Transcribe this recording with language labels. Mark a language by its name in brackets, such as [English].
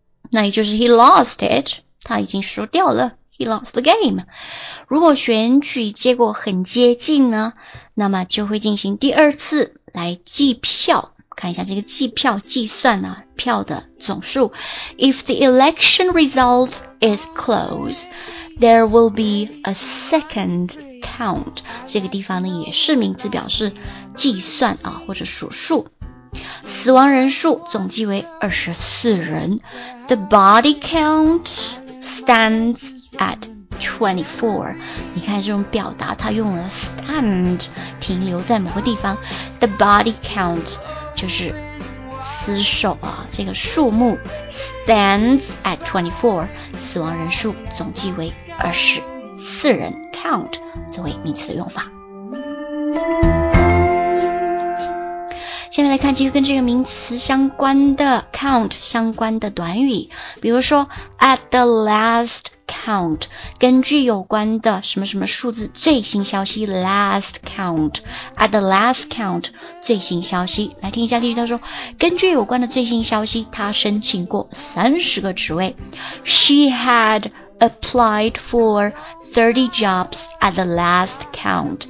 [Chinese] 那也就是 [English] he lost it， [Chinese] 他已经输掉了。 [English] He lost the game。 [Chinese] 如果选举结果很接近呢，那么就会进行第二次来计票。看一下这个计票计算呢，票的总数。 [English] If the election result is close, there will be a second count。 [Chinese] 这个地方呢也是名词，表示计算啊或者数数。死亡人数总计为24人。 [English] The body count stands at 24。 [Chinese] 你看这种表达它用了 stand， 停留在某个地方。 The body count 就是死守啊，这个数目 [English] stands at 24， [Chinese] 死亡人数总计为24人。 count 作为名词的用法。下面来看几个跟这个名词相关的 count 相关的短语。比如说 [English] at the last count， [Chinese] 根据有关的什么什么数字最新消息。 last count， [English] at the last count， [Chinese] 最新消息。来听一下例句，他说根据有关的最新消息，他申请过30个职位。 [English] She had applied for 30 jobs at the last count。